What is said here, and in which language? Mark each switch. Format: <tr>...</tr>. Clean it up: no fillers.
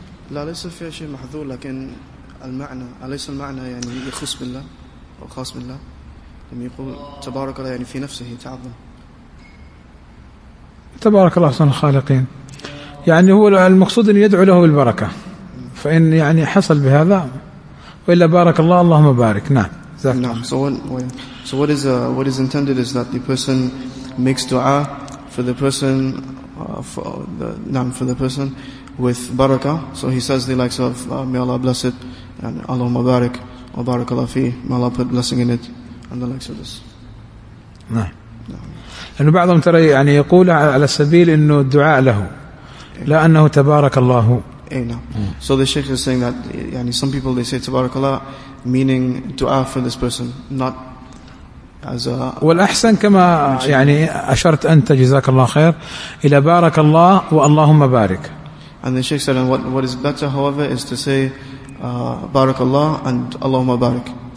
<ar>لا, ليس فيها شيء محذور, لكن المعنى, أليس المعنى يعني يخص بالله أو خاص بالله؟ لما يقول تبارك الله يعني في نفسه تعظم, تبارك الله أحسن الخالقين, يعني هو المقصود أن يدعو له بالبركة, فإن يعني حصل بهذا وإلا بارك الله اللهم بارك. نعم.</ar> <en>So what is intended is that the person makes dua for the person for the person with barakah. So he says the likes of may Allah bless it and Allah mubarak wa barakallahu fi, may Allah put blessing in it and the likes of this. No.</en> <ar>لأنه بعضهم ترى يعني يقول على سبيل أنه الدعاء له لا أنه تبارك الله.</ar> <en>So the Sheikh is saying that يعني some people they say تبارك الله meaning dua for this person, not as a.</en> <ar>والأحسن كما يعني أشرت أنت جزاك الله خير إلى بارك الله واللهم بارك.</ar> <en>And the Sheikh said, and what is better, however, is to say</en> <ar>بارك الله</ar> <en>and</en> <ar>اللهم بارك.</ar>